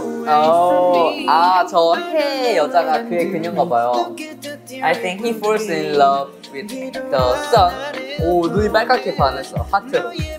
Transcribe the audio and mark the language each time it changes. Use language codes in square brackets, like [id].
[ko] Oh, 아, 저 해 여자가 그의 그녀인가 봐요. [en] I think he falls in love with the sun. [ko] 오, 눈이 빨갛게 반했어, 하트로.